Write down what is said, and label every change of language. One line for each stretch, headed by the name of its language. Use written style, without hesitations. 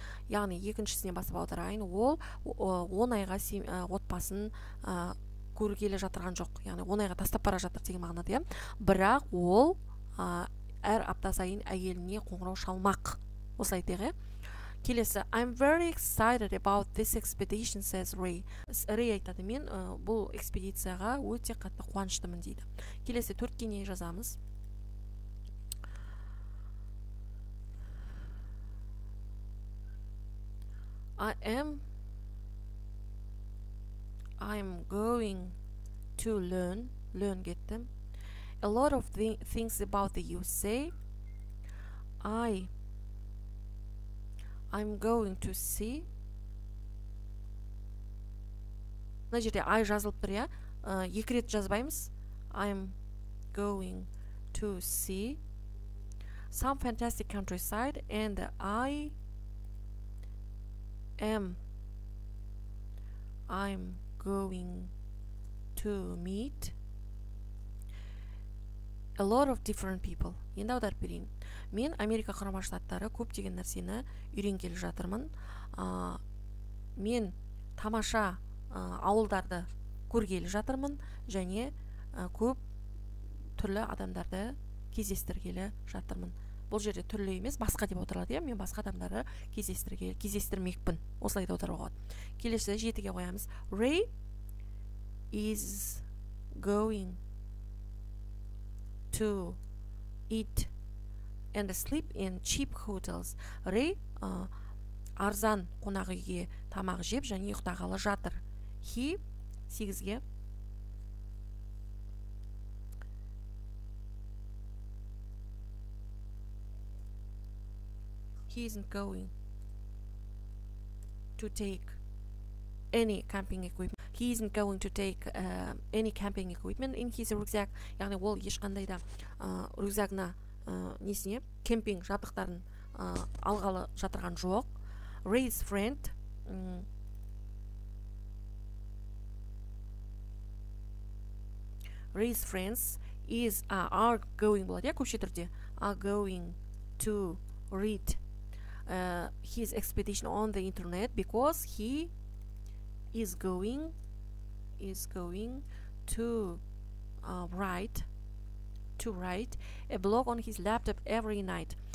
Kazakh: Яғни екіншісіне басып аударайын, ол 10 айға отбасын көргелі жатырған жоқ. Яғни 10 айға тастап бара жатыр деген мағынады, иә. Бірақ ол әр апта сайын әйеліне қоңырау шалмақ. Осылай айтайық, иә. Келесі,
English: I'm very excited about this expedition, says Ray.
Kazakh: Ray айтады, мен бұл экспедицияға өте қатты қуаныштымын дейді. Келесі, төртке не жазамыз?
English: I'm going to learn gettim. A lot of things about the USA. I'm going to see.
Kazakh: Мына жерде I жазылып тұр, я. Екі рет жазбаймыз.
English: I'm going to see some fantastic countryside and I'm going to meet a lot of different people.
Kazakh: Енді аударып берейін. Мен Америка құрама штаттары көптеген нәрсені үйренгелі жатырмын. Мен тамаша ауылдарды көргелі жатырмын және көп түрлі адамдарды кездестіргелі жатырмын. Бұл жерде түрлі емес, басқа деп отырады, мен басқа адамдарды кездестірмекпін. Осылай деп отыруға болады. Келесі жетіге қоямыз.
English: Ray is going to eat and sleep in cheap hotels.
Kazakh: Ray арзан қонақ үйге тамақ жеп және ұйықтағалы жатыр.
English: He 8-ге He isn't going to take any camping equipment. He isn't going to take any camping equipment in his rucksack.
Kazakh: Яғни ол ешқандай да рюкзагына несіне кемпинг жабдықтарын алғалы жатырған жоқ.
English: Ray's friend Ray's friends is are going
Kazakh: болады, көпше түрде
English: are going to read his expedition on the internet because he is going to write a blog on his laptop every night.